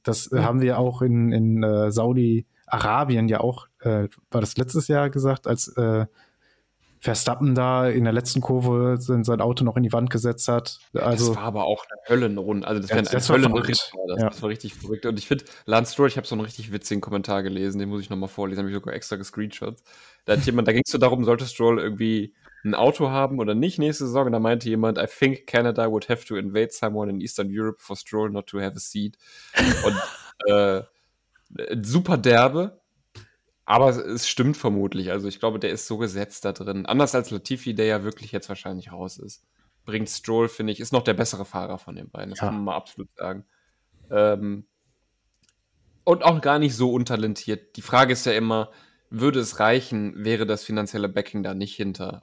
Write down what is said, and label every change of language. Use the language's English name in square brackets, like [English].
[German] Das haben wir auch in Saudi-Arabien ja auch, war das letztes Jahr gesagt, als Verstappen da in der letzten Kurve sein Auto noch in die Wand gesetzt hat. Also, das war aber auch eine Höllenrunde. Also das war ein Höllenritt. Das war richtig verrückt. Und ich finde, Lance Stroll, ich habe so einen richtig witzigen Kommentar gelesen, den muss ich nochmal vorlesen, habe ich sogar extra gescreenshot. Da ging es so darum, sollte Stroll irgendwie ein Auto haben oder nicht nächste Saison. Und da meinte jemand, [English] I think Canada would have to invade someone in Eastern Europe for Stroll not to have a seat. [German] Und super derbe, aber es stimmt vermutlich. Also ich glaube, der ist so gesetzt da drin. Anders als Latifi, der ja wirklich jetzt wahrscheinlich raus ist. Bringt Stroll, finde ich, ist noch der bessere Fahrer von den beiden. Das ja. kann man mal absolut sagen. Und auch gar nicht so untalentiert. Die Frage ist ja immer, würde es reichen, wäre das finanzielle Backing da nicht hinter.